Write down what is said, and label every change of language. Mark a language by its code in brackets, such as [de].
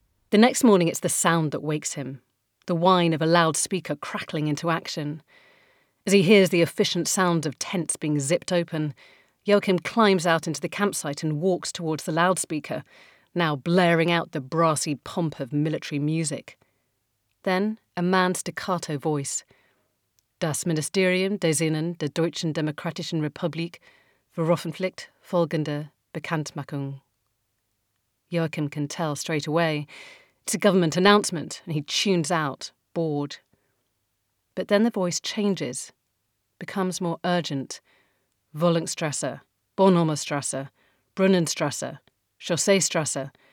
[en] The next morning it's the sound that wakes him, the whine of a loudspeaker crackling into action. As he hears the efficient sound of tents being zipped open, Joachim climbs out into the campsite and walks towards the loudspeaker, now blaring out the brassy pomp of military music. Then a man's staccato voice. [de] Das Ministerium des Innern der Deutschen Demokratischen Republik veröffentlicht folgende Bekanntmachung. [en] Joachim can tell straight away. It's a government announcement, and he tunes out, bored. But then the voice changes, becomes more urgent. [de] Volkstrasse, Bornholmerstrasse, Brunnenstrasse, Chausseestrasse.